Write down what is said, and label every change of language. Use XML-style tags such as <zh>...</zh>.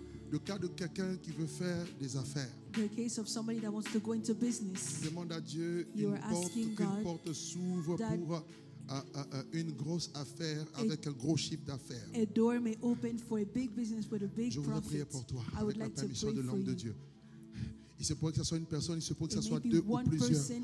<fr>Le cas de quelqu'un qui veut faire des affaires.</fr> <en>The case of somebody that wants to go into business.</en> <fr>Je demande à Dieu qu'une porte s'ouvre pour une grosse affaire avec un gros chiffre d'affaires.</fr> <en>A door may open for a big business with a big</en> <fr>Je voudrais prier pour toi avec la permission de l'homme de Dieu. Il se pourrait que ce soit une personne, il se pourrait que ce soit deux ou plusieurs.</fr>